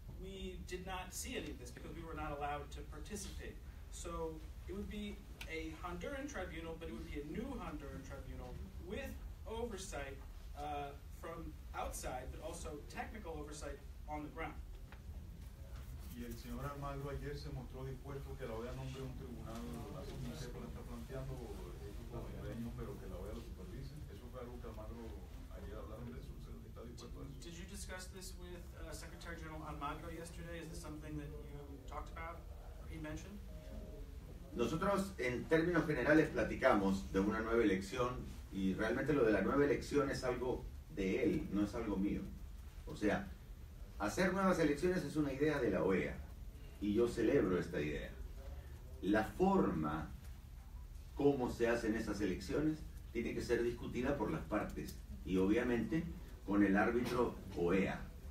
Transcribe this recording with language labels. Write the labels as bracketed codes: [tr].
[en] We did not see any of this because we were not allowed to participate. So it would be a Honduran tribunal, but it would be a new Honduran tribunal with oversight from outside, but also technical oversight on the ground. [es] Y el señor Almagro ayer se mostró dispuesto que la OEA nombre un tribunal, así no sé cómo está planteando, pero que la OEA lo supervise. Eso fue algo que Almagro ayer hablaron de eso, ¿usted está dispuesto a eso? [en] Did you discuss this with Secretary General Almagro yesterday? Is this something that you talked about or he mentioned? [es] Nosotros, en términos generales, platicamos de una nueva elección y realmente lo de la nueva elección es algo de él, no es algo mío. O sea, hacer nuevas elecciones es una idea de la OEA y yo celebro esta idea. La forma como se hacen esas elecciones tiene que ser discutida por las partes y, obviamente, con el árbitro OEA.